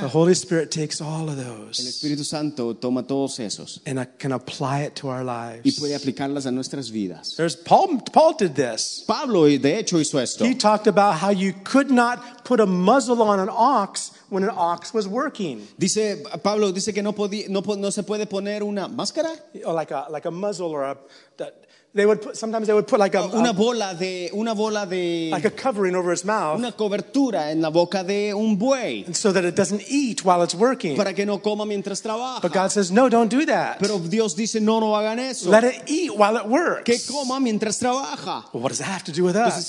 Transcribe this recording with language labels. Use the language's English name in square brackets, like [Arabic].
[English] The Holy Spirit takes all of those. [Spanish] El Espíritu Santo toma todos esos. [English] And can apply it to our lives. [Spanish] Y puede aplicarlas a nuestras vidas. [English] There's Paul did this. [Spanish] Pablo de hecho hizo esto. [English] He talked about how you could not put a muzzle on an ox when an ox was working. [Spanish] Dice Pablo dice que no se puede poner una máscara. [English] Or like a muzzle or a that they would put, sometimes they would put like a [Spanish] una bola de [English] like a covering over his mouth. [Spanish] Una cobertura en la boca de un buey. [English] So that it doesn't eat while it's working. [Spanish] Para que no coma mientras trabaja. [English] But God says no, don't do that. [Spanish] Pero Dios dice no, no hagan eso. [English] Let it eat while it works. [Spanish] Que coma mientras trabaja. [English] Well, what does that have to do with us?